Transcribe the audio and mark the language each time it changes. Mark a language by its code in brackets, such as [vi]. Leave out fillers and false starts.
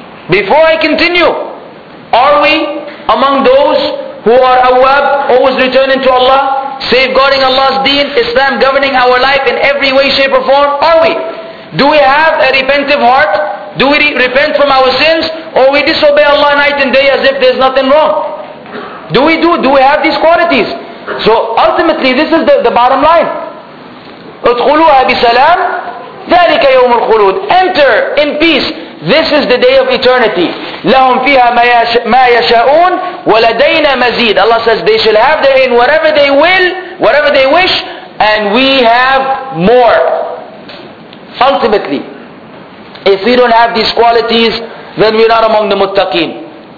[en] Before I continue, are we among those who are awwab, always returning to Allah, safeguarding Allah's deen, Islam governing our life in every way, shape or form? Are we? Do we have a repentive heart? Do we repent from our sins? Or we disobey Allah night and day as if there's nothing wrong? Do we have these qualities? So ultimately this is the bottom line. [ar] ادخلوها بسلام ذلك يوم الخلود. [en] Enter in peace. This is the day of eternity. [ar] لَهُمْ فِيهَا مَا يَشَاءُونَ وَلَدَيْنَا مَزِيدٌ. [en] Allah says they shall have therein whatever they will, whatever they wish, and we have more. Ultimately, if we don't have these qualities, then we're not among the muttaqeen.